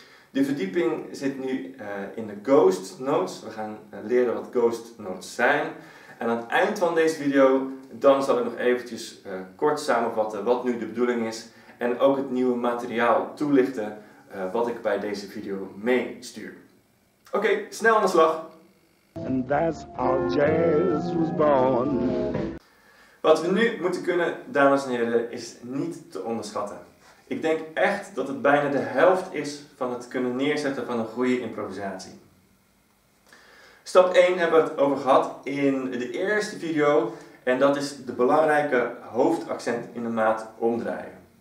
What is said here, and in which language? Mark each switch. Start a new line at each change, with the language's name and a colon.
Dutch: De verdieping zit nu in de ghost notes. We gaan leren wat ghost notes zijn. En aan het eind van deze video dan zal ik nog eventjes kort samenvatten wat nu de bedoeling is. En ook het nieuwe materiaal toelichten wat ik bij deze video meestuur. Oké, snel aan de slag!
English: And that's how jazz was born.
Dutch: Wat we nu moeten kunnen, dames en heren, is niet te onderschatten. Ik denk echt dat het bijna de helft is van het kunnen neerzetten van een goede improvisatie. Stap 1 hebben we het over gehad in de eerste video. En dat is de belangrijke hoofdaccent in de maat omdraaien.